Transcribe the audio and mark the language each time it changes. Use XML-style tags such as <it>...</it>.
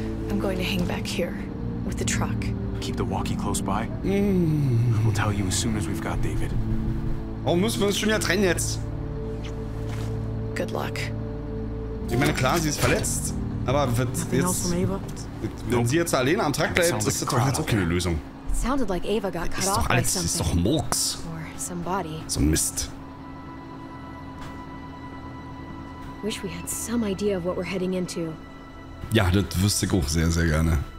<en>I'm going to hang back here. with the truck. Keep the walkie close by. We'll tell you as soon as we've got David.</en> <de>Warum müssen wir uns schon ja trennen jetzt?</de> <en>Good luck.</en> <de>Ich meine, klar, sie ist verletzt, aber wird jetzt, wenn sie jetzt alleine am Track bleibt, ist das doch jetzt auch keine Lösung.</de> <en>Sounded like Ava got cut off by something.</en> <de>Ist doch Murks.</de> <en>Or somebody.</en> <de>So ein Mist.</de> <en>Wish we had some idea of what we're heading into.</en> <de>Ja, das wüsste ich auch sehr, sehr gerne.</de>